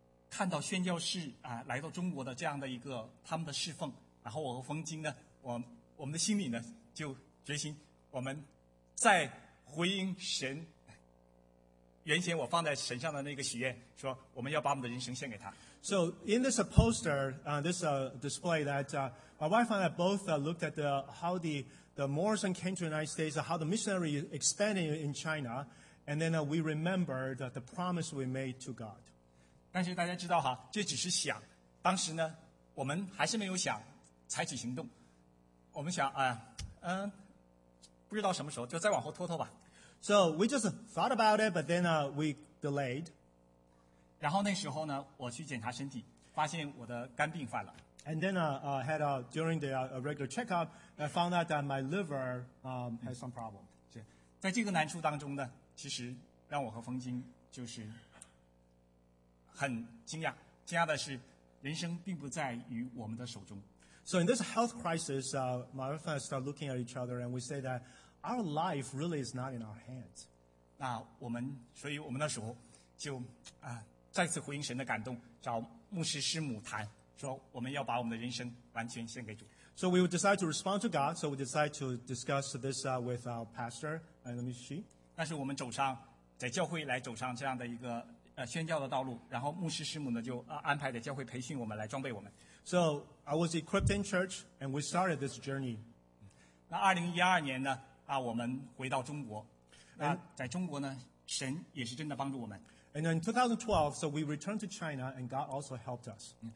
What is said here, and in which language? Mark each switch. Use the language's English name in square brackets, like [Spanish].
[Chinese] 看到宣教士啊来到中国的这样的一个他们的侍奉，然后我和冯晶呢，我们的心里呢就决心，我们再回应神原先我放在神上的那个许愿，说我们要把我们的人生献给他。 [English] So in this poster, this display that my wife and I both looked at how the Morrison came to the United States, how the missionary expanded in China, and then we remembered the promise we made to God. [Chinese] 但是大家知道哈，这只是想，当时呢，我们还是没有想采取行动。我们想啊，不知道什么时候，就再往后拖拖吧。 [English] So we just thought about it, but then we delayed. [Chinese] 然后那时候呢，我去检查身体，发现我的肝病犯了。 [English] And then had a during the regular checkup, I found out that my liver has some problem. [Chinese] 是，在这个难处当中呢，其实让我和冯晶就是。很惊讶，惊讶的是，人生并不在于我们的手中。 [English] So in this health crisis, my wife and I start looking at each other, and we say that our life really is not in our hands. [Chinese] 那我们，所以我们那时候就再次回应神的感动，找牧师师母谈，说我们要把我们的人生完全献给主。 [English] So we would decide to respond to God. So we decide to discuss this with our pastor and Ms. Shi. [Chinese] 但是我们走上在教会来走上这样的一个。宣教的道路，然后牧师师母呢就安排的教会培训我们来装备我们。 [English] So I was equipped in church and we started this journey. [Chinese] 那2012年呢我们回到中国。那在中国呢神也是真的帮助我们。 [English] And in 2012, so we returned to China and God also helped us.